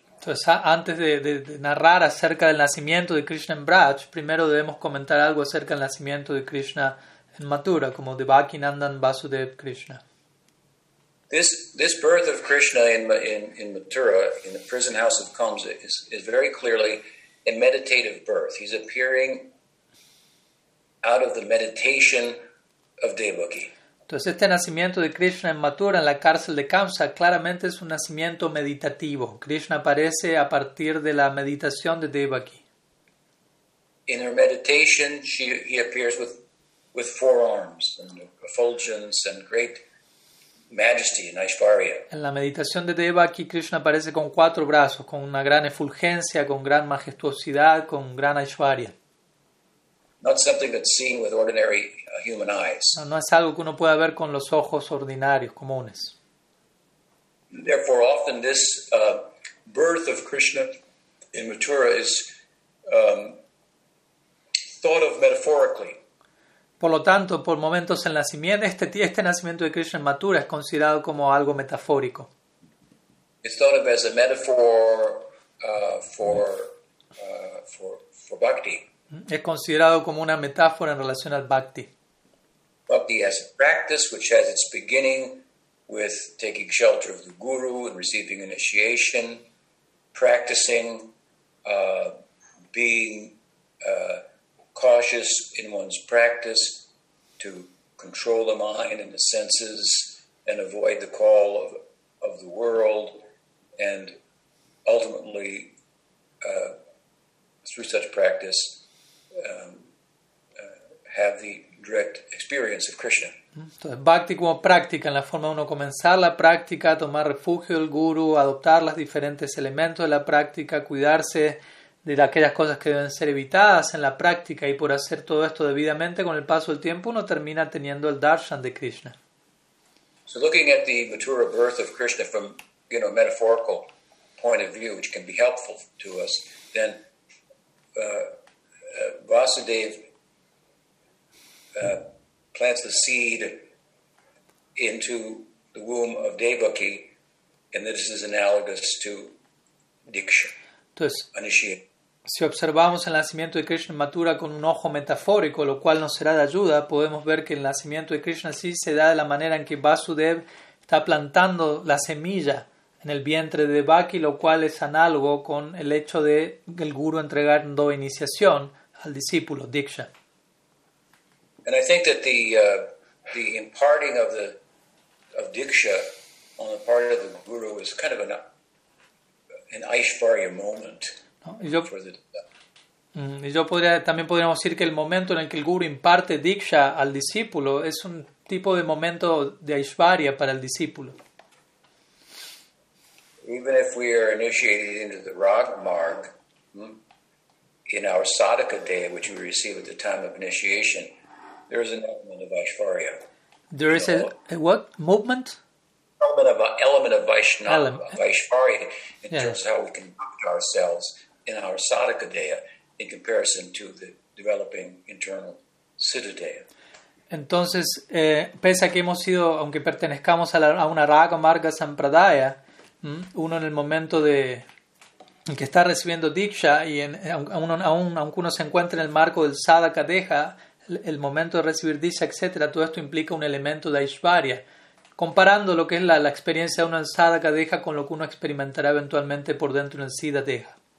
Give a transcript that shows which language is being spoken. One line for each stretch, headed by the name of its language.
Spanish: Entonces, antes de narrar acerca del nacimiento de Krishna en Braj, primero debemos comentar algo acerca del nacimiento de Krishna en Mathura, como de Vakinandan Vasudev Krishna.
English: This birth of Krishna in Mathura, in the prison house of Kamsa, is very clearly a meditative birth. He's appearing out of the meditation of Devaki.
Spanish: Entonces, este nacimiento de Krishna en Mathura, en la cárcel de Kamsa, claramente es un nacimiento meditativo. Krishna aparece a partir de la meditación de Devaki.
English: In her meditation, he appears with four arms and effulgence and great majesty in Aishwarya.
Spanish: En la meditación de Devaki, Krishna aparece con cuatro brazos, con una gran efulgencia, con gran majestuosidad, con gran Aishwarya.
English: Not something that's seen with ordinary human eyes.
Spanish: No es algo que uno pueda ver con los ojos ordinarios, comunes.
English: Therefore, often this birth of Krishna in Mathura is thought of metaphorically.
Spanish: Por lo tanto, por momentos el nacimiento, este nacimiento de Krishna en Mathura es considerado como algo metafórico.
English: It's thought of as a metaphor for bhakti.
Spanish: Es considerado como una metáfora en relación al bhakti.
English: Bhakti as a practice which has its beginning with taking shelter of the guru and receiving initiation, practicing, being cautious in one's practice to control the mind and the senses and avoid the call of the world, and ultimately through such practice have the direct experience of Krishna.
Spanish: Entonces, bhakti como práctica, en la forma de uno comenzar la práctica, tomar refugio del guru, adoptar los diferentes elementos de la práctica, cuidarse de aquellas cosas que deben ser evitadas en la práctica, y por hacer todo esto debidamente, con el paso del tiempo uno termina teniendo el darshan de Krishna.
English: So looking at the Mathura birth of Krishna from, you know, a metaphorical point of view, which can be helpful to us, then Vasudev plants the seed into the womb of Devaki, and this is analogous to diksha.
Spanish: Entonces, initiation. Si observamos el nacimiento de Krishna en Mathura con un ojo metafórico, lo cual nos será de ayuda, podemos ver que el nacimiento de Krishna sí se da de la manera en que Vasudev está plantando la semilla en el vientre de Devaki, lo cual es análogo con el hecho de el guru entregando iniciación al discípulo, diksha.
English: And I think that the imparting of the of diksha on the part of the guru is kind of an Aishwarya moment. No, yo, for the,
Spanish: Y yo podría, también podríamos decir que el momento en el que el guru imparte diksha al discípulo es un tipo de momento de aishvarya para el discípulo.
English: Even if we are initiated into the raga marg, in our sadhaka day, which we receive at the time of initiation, there is an element of aishvarya. There is a what? Movement? Element of aishvarya in terms of how we conduct ourselves in our sadhaka day in comparison to the developing internal siddhadaya.
Spanish: Entonces, pese a que hemos sido, aunque pertenezcamos a una raga marga sampradaya, uno en el momento de que está recibiendo diksha y aunque uno se encuentre en el marco del sadhaka deha, el momento de recibir diksha, etcétera, todo esto implica un elemento de aishvarya, comparando lo que es la experiencia de uno en sadhaka deha con lo que uno experimentará eventualmente por dentro en el siddha deha.